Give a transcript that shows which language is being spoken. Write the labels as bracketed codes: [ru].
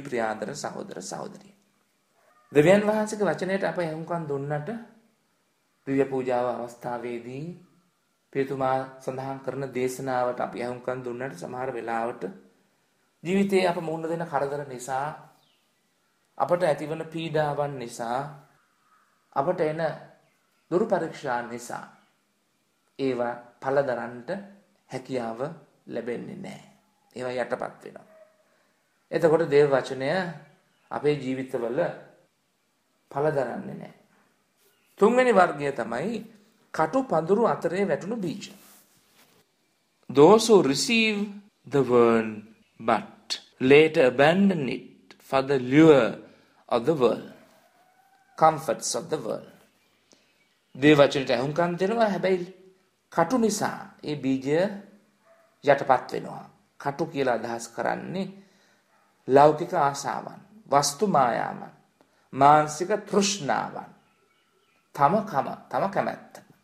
[si] ප්‍රියාදර සහෝදර සහෝදරිය, දෙවියන් වහන්සේගේ වචනයට අප යොමුකම් දුන්නට දිව්‍ය පූජාව අවස්ථාවේදී පියතුමා සඳහන් කරන දේශනාවට අපි යොමුකම් දුන්නට සමහර වෙලාවට ජීවිතයේ අප මුහුණ දෙන කරදර නිසා, අපට ඇතිවන පීඩාවන් නිසා, අපට එන දුරු පරීක්ෂා නිසා ඒවා පළදරන්ට හැකියාව ලැබෙන්නේ නැහැ. ඒවා යටපත් වෙනවා. එතකොට දේව වචනය අපේ ජීවිතවල පළදරන්නේ නැහැ. තුන්වෙනි වර්ගය තමයි කටු පඳුරු අතරේ වැටුණු බීජ. [en] Those who receive the word but later abandon it for the lure of the world, comforts of the world. [si] දේව වචනයට අහුම්කම් දෙනවා, හැබැයි කටු නිසා ඒ බීජය යටපත් වෙනවා. කටු කියලා අදහස් කරන්නේ ලෞකික ආශාවන්, වස්තු මායාවන්, මානසික තෘෂ්ණාවන්, තම කැමැත්ත.